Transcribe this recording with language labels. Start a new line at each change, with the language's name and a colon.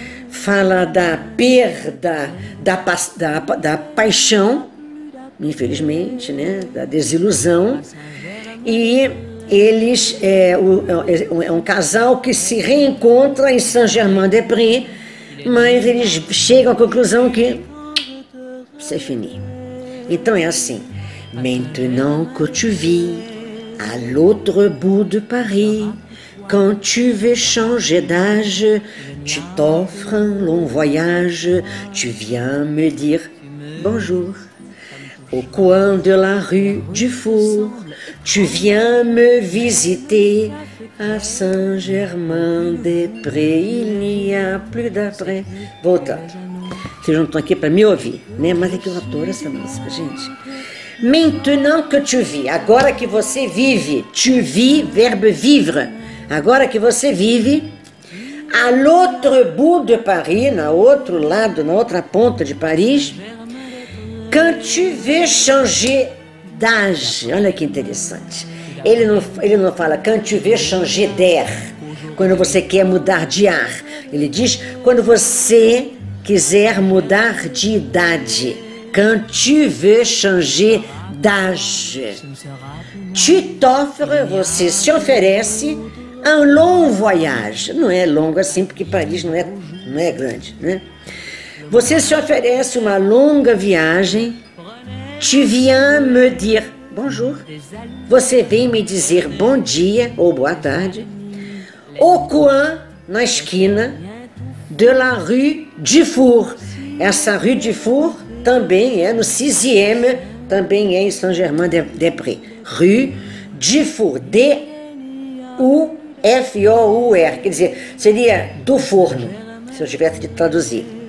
Portuguese: Fala da perda, da paixão, infelizmente, né? Da desilusão. E eles, é um casal que se reencontra em Saint-Germain-des-Prés, mas eles chegam à conclusão que
French: c'est fini.
Portuguese: Então é assim.
French: Maintenant que tu vis à l'autre bout de Paris, quand tu veux changer d'âge, tu t'offres un long voyage, tu viens me dire bonjour. Au coin de la rue du Four, tu viens me visiter à Saint-Germain-des-Prés, il n'y a plus d'après.
Portuguese: Voltando. Vocês não estão aqui para me ouvir, né? Mas é que eu adoro essa música, gente.
French: Maintenant que tu vis,
Portuguese: agora que você vive,
French: tu vis,
Portuguese: verbo vivre, agora que você vive,
French: à l'autre bout de Paris,
Portuguese: na outro lado, na outra ponta de Paris,
French: quand tu veux changer d'âge,
Portuguese: olha que interessante, ele não fala
French: quand tu veux changer d'air,
Portuguese: quando você quer mudar de ar, ele diz quando você quiser mudar de idade.
French: Quand tu veux changer d'âge, tu t'offres,
Portuguese: você se oferece,
French: un long voyage.
Portuguese: Não é longo assim, porque Paris não é grande, né? Você se oferece uma longa viagem.
French: Tu viens me dire bonjour.
Portuguese: Você vem me dizer bom dia ou boa tarde.
French: Au coin,
Portuguese: na esquina, de la rue du Four. Essa rue du Four também é no 6e, também é em Saint-Germain-des-Prés. Rue du Four, D-U-F-O-U-R, quer dizer, seria do forno, se eu tivesse de traduzir.